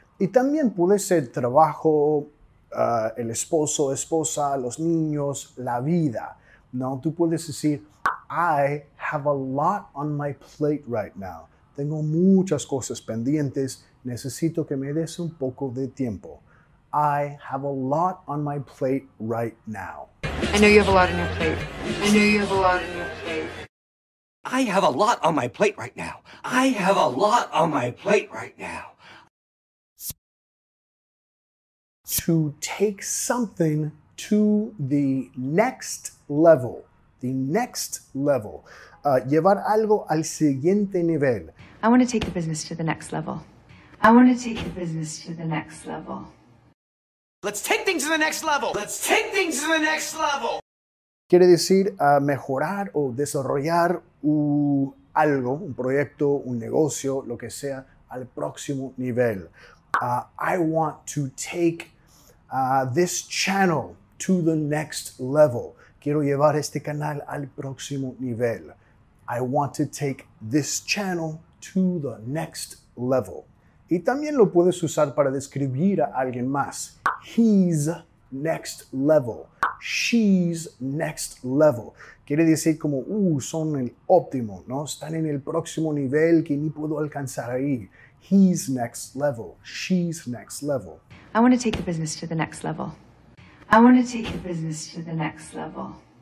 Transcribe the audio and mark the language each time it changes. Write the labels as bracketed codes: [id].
[es] Y también puede ser trabajo, el esposo, esposa, los niños, la vida. No, tú puedes decir, [en] I have a lot on my plate right now. [es] Tengo muchas cosas pendientes. Necesito que me des un poco de tiempo. [en] I have a lot on my plate right now. I know you have a lot on your plate. I know you have a lot on your plate. I have a lot on my plate right now. I have a lot on my plate right now. To take something to the next level. The next level. [es] Llevar algo al siguiente nivel. [en] I want to take the business to the next level. I want to take the business to the next level. Let's take things to the next level. Let's take things to the next level. [es] Quiere decir mejorar o desarrollar algo, un proyecto, un negocio, lo que sea, al próximo nivel. [en] I want to take this channel to the next level. [es] Quiero llevar este canal al próximo nivel. [en] I want to take this channel to the next level. [es] Y también lo puedes usar para describir a alguien más. [en] He's next level. She's next level. [es] Quiere decir como, son el óptimo, ¿no? Están en el próximo nivel que ni puedo alcanzar ahí. [en] He's next level. She's next level. I want to take the business to the next level. I want to take the business to the next level.